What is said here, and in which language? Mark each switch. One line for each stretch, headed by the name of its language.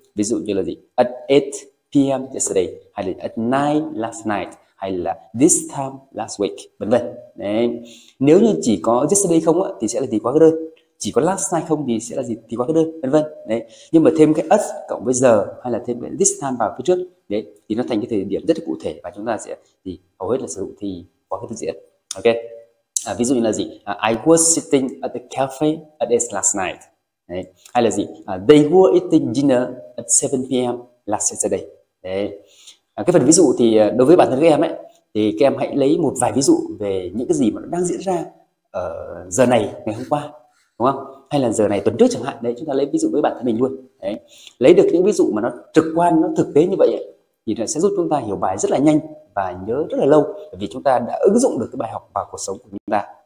Vietnamese: Ví dụ như là gì?
English: At 8 p.m. yesterday, hay là at 9 last night, hay là this time last week,
Vietnamese: vân vân. Đấy. Nếu như chỉ có yesterday không á, thì sẽ là gì quá khứ đơn. Chỉ có last night không thì sẽ là gì thì quá khứ đơn, vân vân. Đấy. Nhưng mà thêm cái at cộng với giờ, hay là thêm cái this time vào phía trước, đấy, thì nó thành cái thời điểm rất là cụ thể và chúng ta sẽ thì hầu hết là sử dụng thì quá khứ tiếp diễn. Ok. Ví dụ như là gì?
English: I was sitting at the cafe at 8 last night.
Vietnamese: Đấy. Hay là gì?
English: They were eating dinner at 7 p.m. last Saturday.
Vietnamese: Đấy. Cái phần ví dụ thì đối với bản thân các em ấy, thì các em hãy lấy một vài ví dụ về những cái gì mà nó đang diễn ra ở giờ này ngày hôm qua, đúng không? Hay là giờ này tuần trước chẳng hạn. Đấy, chúng ta lấy ví dụ với bản thân mình luôn. Đấy. Lấy được những ví dụ mà nó trực quan, nó thực tế như vậy ấy, thì nó sẽ giúp chúng ta hiểu bài rất là nhanh và nhớ rất là lâu, vì chúng ta đã ứng dụng được cái bài học vào cuộc sống của chúng ta.